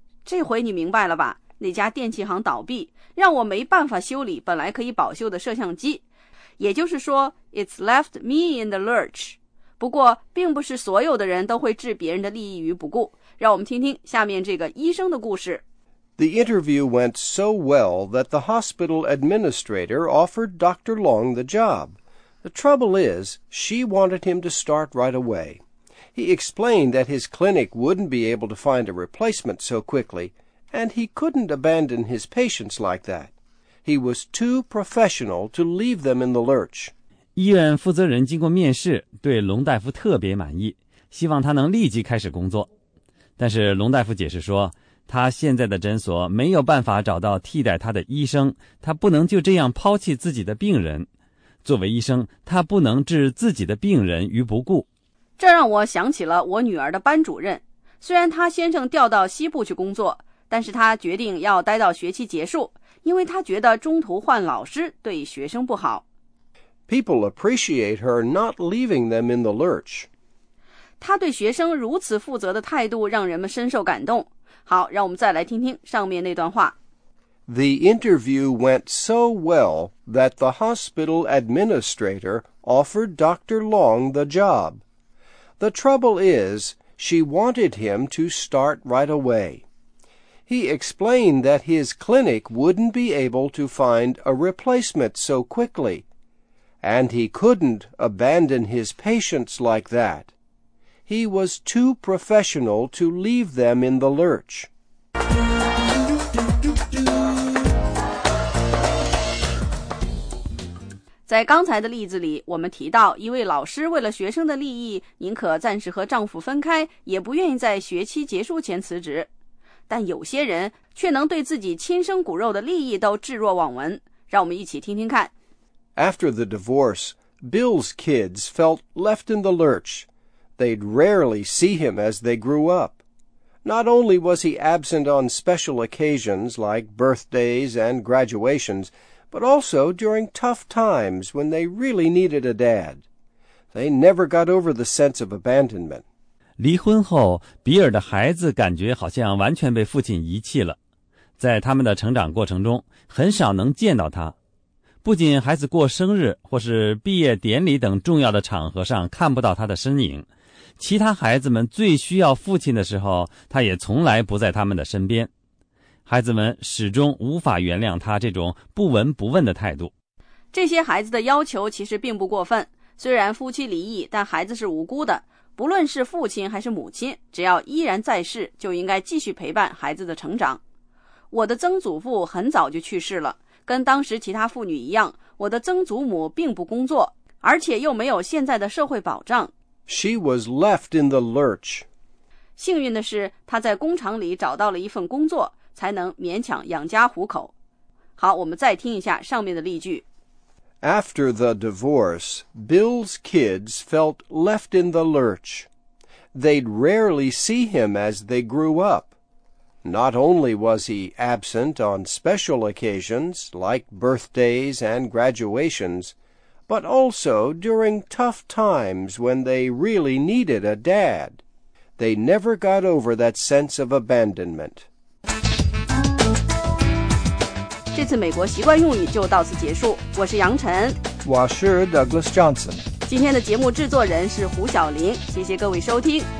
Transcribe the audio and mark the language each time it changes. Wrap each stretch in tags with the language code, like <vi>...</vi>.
<zh>这回你明白了吧？那家电器行倒闭，让我没办法修理本来可以保修的摄像机。也就是说</zh> <en>，It's left me in the lurch.</en> <zh>不过，并不是所有的人都会置别人的利益于不顾。让我们听听下面这个医生的故事。</zh> <en>The interview went so well that the hospital administrator offered Dr. Long the job. The trouble is, she wanted him to start right away. He explained that his clinic wouldn't be able to find a replacement so quickly, and he couldn't abandon his patients like that. He was too professional to leave them in the lurch.</en> <zh>医院负责人经过面试，对龙大夫特别满意，希望他能立即开始工作。但是龙大夫解释说，他现在的诊所没有办法找到替代他的医生，他不能就这样抛弃自己的病人。作为医生，他不能置自己的病人于不顾。这让我想起了我女儿的班主任，虽然他先生调到西部去工作，但是他决定要待到学期结束，因为他觉得中途换老师对学生不好。</zh> <en>People appreciate her not leaving them in the lurch.</en> <zh>他对学生如此负责的态度让人们深受感动。好，让我们再来听听上面那段话。</zh> <en>The interview went so well that the hospital administrator offered Dr. Long the job. The trouble is, she wanted him to start right away. He explained that his clinic wouldn't be able to find a replacement so quickly, and he couldn't abandon his patients like that. He was too professional to leave them in the lurch.</en> <zh>在刚才的例子里，我们提到一位老师为了学生的利益，宁可暂时和丈夫分开，也不愿意在学期结束前辞职。但有些人却能对自己亲生骨肉的利益都置若罔闻。让我们一起听听看。 After the divorce, Bill's kids felt left in the lurch. They'd rarely see him as they grew up. Not only was he absent on special occasions like birthdays and graduations,but also during tough times when they really needed a dad. They never got over the sense of abandonment. 离婚后，比尔的孩子感觉好像完全被父亲遗弃了。在他们的成长过程中，很少能见到他。不仅孩子过生日或是毕业典礼等重要的场合上看不到他的身影，其他孩子们最需要父亲的时候，他也从来不在他们的身边。孩子们始终无法原谅他这种不闻不问的态度。这些孩子的要求其实并不过分，虽然夫妻离异，但孩子是无辜的。不论是父亲还是母亲，只要依然在世，就应该继续陪伴孩子的成长。我的曾祖父很早就去世了，跟当时其他妇女一样，我的曾祖母并不工作，而且又没有现在的社会保障。</zh> <en>She was left in the lurch.</en> <zh>幸运的是，她在工厂里找到了一份工作，才能勉强养家糊口。好，我们再听一下上面的例句。</zh> <en>After the divorce, Bill's kids felt left in the lurch. They'd rarely see him as they grew up. Not only was he absent on special occasions, like birthdays and graduations, but also during tough times when they really needed a dad. They never got over that sense of abandonment.</en> <zh>这次美国习惯用语就到此结束，我是杨晨，我是 Douglas Johnson，今天的节目制作人是胡晓林，谢谢各位收听。</zh>